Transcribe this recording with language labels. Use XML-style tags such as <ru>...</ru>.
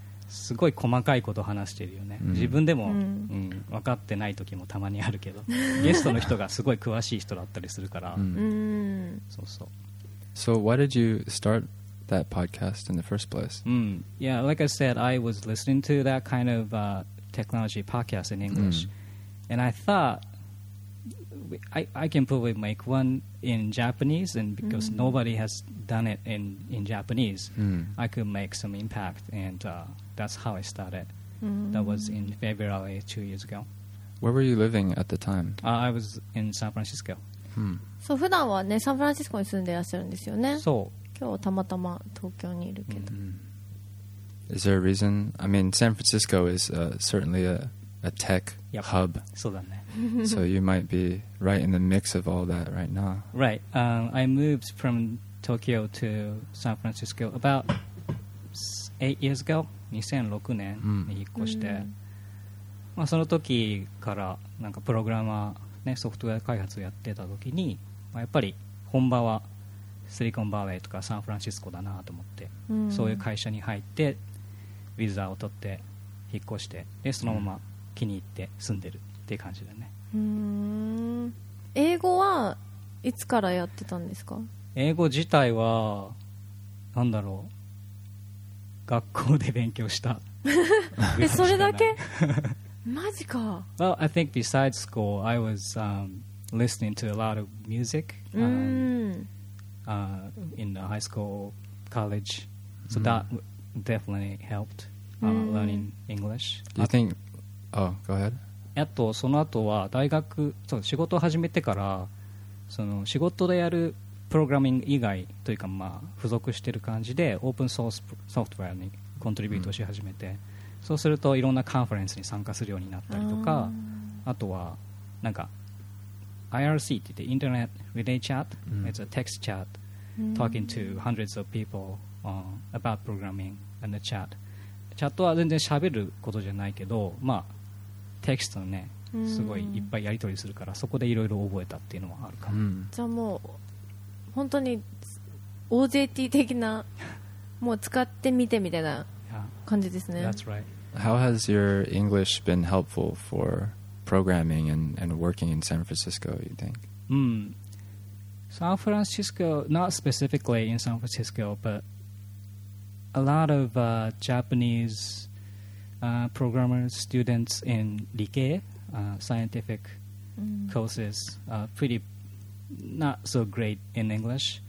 <ja>すごい細かいこと話してるよね。 Mm. 自分でも、mm. うん、分かってない時もたまにあるけど、ゲストの人がすごい詳しい人だったりするから。 Mm. Mm. そうそう。</ja> <en>So why did you start that podcast in the first place? Mm. Yeah, like I said, I was listening to that kind of technology podcast in English. Mm. And I thought, I can probably make one in Japanese, and because mm. nobody has done it in Japanese, mm. I could make some impact. And that's how I started. Mm. That was in February 2 years ago. Where were you living at the time? I was in San Francisco. Mm. So,</en> <ja>普段はね、サンフランシスコに住んでいらっしゃるんですよね。そう。今日たまたま東京にいるけど、</ja> <en>mm-hmm. Is there a reason? I mean, San Francisco is certainly a tech、 yep. hub.</en> <ja>そうだね。</ja> <en>So you might be right in the mix of all that right now. Right. I moved from Tokyo to San Francisco about 8 years ago.</en> <ja>2006年に引っ越して、mm-hmm. まあその時からなんかプログラマーね、ソフトウェア開発をやってた時に、まあ、やっぱり本場はシリコンバレーとかサンフランシスコだなと思って、うん、そういう会社に入ってビザを取って引っ越して、でそのまま気に入って住んでるっていう感じだね。うーん、英語はいつからやってたんですか？英語自体はなんだろう、学校で勉強したえ、それだけマジか。</ja> <en>Well, I think besides school I was listening to a lot of music in the high school, college, so、mm. that definitely helped、mm. learning English. Do you think Oh, go ahead.</en> <ja>あとその後は大学、そう、仕事を始めてからその仕事でやるプログラミング以外というか、まあ、付属してる感じでオープンソースソフトウェアにコントリビュートし始めて、うん、そうするといろんなカンファレンスに参加するようになったりとか、 あとはなんか IRC って言ってインターネットリレーチャット、うん、</ja> <en>It's a text chat、</en> <ja>うん、</ja> <en>talking to hundreds of people、about programming and the chat。</en> <ja>チャットは全然喋ることじゃないけど、まあテキストのね、うん、すごいいっぱいやり取りするから、そこでいろいろ覚えたっていうのはあるかも、うん、じゃあもう本当に OJT 的なもう使ってみてみたいな感じですね。</ja> <en>Yeah, that's right. How has your English been helpful for programming and working in San Francisco, you think? San Francisco, not specifically in San Francisco, but a lot of Japanese programmers, students in 理系, scientific courses are pretty not so great in English.</en>